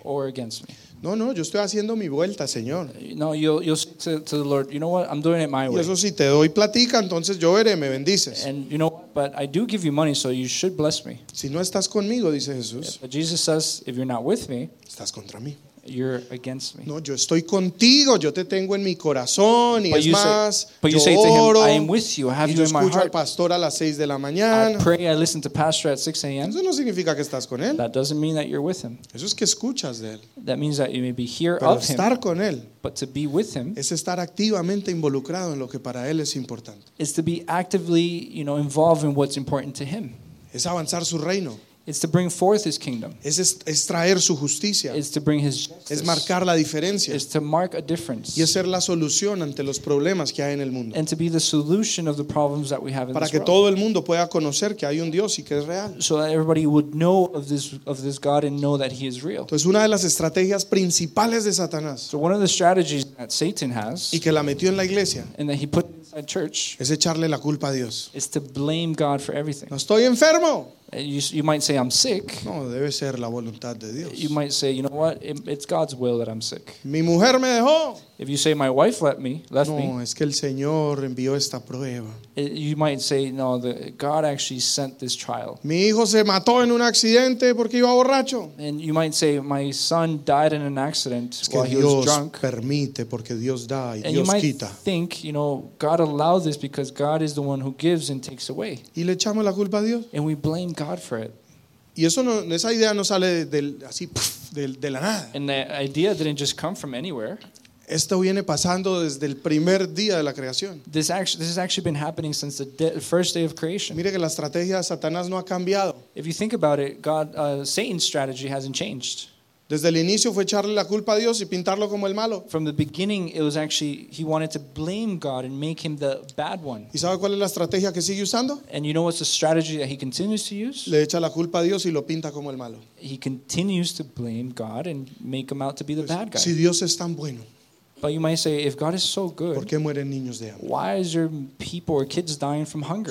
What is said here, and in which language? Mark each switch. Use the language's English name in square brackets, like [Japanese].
[English] Or against me? [Spanish] No, yo estoy haciendo mi vuelta, Señor. [English] No, you'll say to the Lord, you know what, I'm doing it my way. [Spanish] Y eso sí, te doy platica, entonces yo veré, me bendices. [English] And you know what, but I do give you money, so you should bless me. [Spanish] Si no estás conmigo, dice Jesús. [English] But Jesus says, if you're not with me, [Spanish] estás contra mí. [English] you're against me. [Spanish] No, yo estoy contigo, yo te tengo en mi corazón, y es más, [English] but you [Spanish] yo [English] say [Spanish] oro, [English] to him, I am with you, I have you in my heart. [Spanish] Yo escucho al pastor a las 6 de la mañana. [English] I pray, I listen to pastor at 6 a.m. [Spanish] Eso no significa que estás con él. [English] That doesn't mean that you're with him. [Spanish] Eso es que escuchas de él. [English] That means that you maybe hear [Spanish] pero [English] of him. [Spanish] Pero estar con él. [English] But to be with him. [Spanish] Es estar activamente involucrado en lo que para él es importante. [English] Is to be actively, you know, involved in what's important to him. [Spanish] Es avanzar su reino. [English] It's to bring forth his kingdom. [Spanish] Es traer su justicia. [English] It's to bring his justice. [Spanish] Es marcar la diferencia. [English] It's to mark a difference. [Spanish] Y es ser la solución ante los problemas que hay en el mundo. [English] And to be the solution of the problems that we have in this world. [Spanish] Para que todo el mundo pueda conocer que hay un Dios y que es real. [English] So that everybody would know of this God and know that he is real. [Spanish] Entonces una de las estrategias principales de Satanás. [English] So one of the strategies that Satan has. [Spanish] Y que la metió en la iglesia. [English] And that he put inside church. [Spanish] Es echarle la culpa a Dios. [English] Is to blame God for everything. [Spanish] No estoy enfermo. [English] You might say I'm sick. [Spanish] No, debe ser la voluntad de Dios. [English] You might say, you know what? It's God's will that I'm sick. [Spanish] Mi mujer me dejó. [English] If you say my wife left me. [Spanish] No, es que el Señor envió esta prueba. [English] You might say, no, God actually sent this trial. [Spanish] Mi hijo se mató en un accidente porque iba borracho. [English] And you might say, my son died in an accident [Spanish] es que [English] while [Spanish] Dios [English] he was drunk. [Spanish] Permite porque Dios da y [English] and [Spanish] Dios [English] you might [Spanish] quita. [English] Think, you know, God allowed this because God is the one who gives and takes away. [Spanish] Y le echamos la culpa a Dios. [English] And we blame God for it. [Spanish] Y eso no, esa idea no sale del así de la nada. [English] And the idea didn't just come from anywhere. [Spanish] Esto viene pasando desde el primer día de la creación. [English] This has actually been happening since the first day of creation. [Spanish] Mire que la estrategia de Satanás no ha cambiado. [English] If you think about it, Satan's strategy hasn't changed. [Spanish] Desde el inicio fue echarle la culpa a Dios y pintarlo como el malo. [English] From the beginning, it was actually he wanted to blame God and make him the bad one. [Spanish] ¿Y sabe cuál es la estrategia que sigue usando? [English] And you know what's the strategy that he continues to use? [Spanish] Le echa la culpa a Dios y lo pinta como el malo. [English] He continues to blame God and make him out to be the bad guy. [Spanish] Si Dios es tan bueno. [English] But you might say, if God is so good, [Spanish] ¿por qué mueren niños de hambre? [English] Why is there people or kids dying from hunger?